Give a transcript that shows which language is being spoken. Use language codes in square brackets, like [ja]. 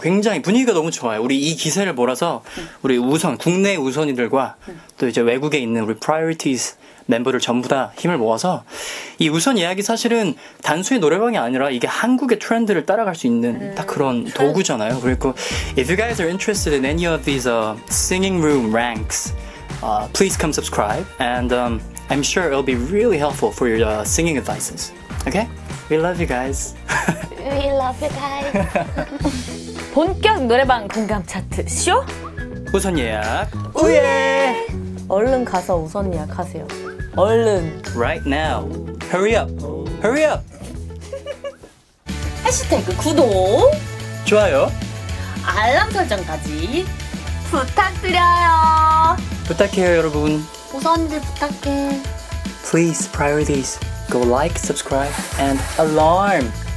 [ko] 굉장히 분위기가 너무 좋아요. 우리 이 기세를 몰아서 우리 우선 국내 우선이들과 또 이제 외국에 있는 우리 프라이어리티즈 멤버들 전부 다 힘을 모아서 이 우선 예약이 사실은 단순히 노래방이 아니라 이게 한국의 트렌드를 따라갈 수 있는 딱 그런 도구잖아요. [en] 그리고 If you guys are interested in any of these singing room ranks, please come subscribe and I'm sure it'll be really helpful for your singing advices. Okay? We love you guys. We love you guys. [ko] 본격 노래방 공감 차트 쇼? 우선 예약. 우예! 얼른 가서 우선 예약하세요. 얼른. [en] Right now. Hurry up. Hurry up. [ko] 해시태그 구독. 좋아요. 알람 설정까지 부탁드려요. 부탁해요, 여러분. 우선들 부탁해. [en] Please, priorities. Go like, subscribe, and alarm!